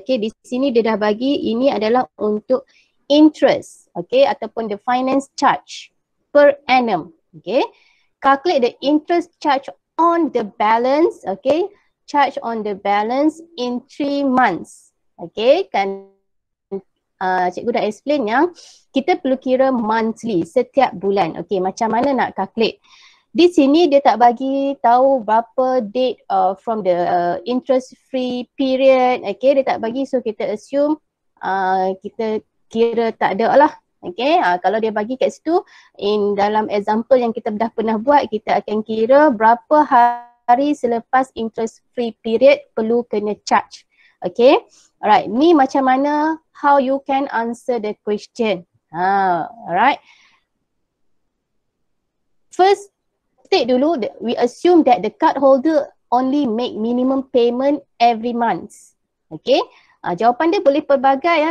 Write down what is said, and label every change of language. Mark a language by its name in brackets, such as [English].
[Malay] Okay, di sini dia dah bagi ini adalah untuk interest. [English] Okay, ataupun the finance charge per annum. Okay, calculate the interest charge on the balance. Okay, charge on the balance in 3 months. [Malay] Okay, kan cikgu dah explain yang kita perlu kira monthly, setiap bulan. Okay, macam mana nak calculate? Di sini dia tak bagi tahu berapa date from the interest free period. Okay, dia tak bagi, so kita assume kita kira tak ada lah. Okay, kalau dia bagi kat situ, in dalam example yang kita dah pernah buat, kita akan kira berapa hari selepas interest free period perlu kena charge. [English] Okay, alright, [Malay] ni macam mana [English] how you can answer the question. Alright, first state dulu, we assume that the card holder only make minimum payment every month. [Malay] Okay, jawapan dia boleh pelbagai ya.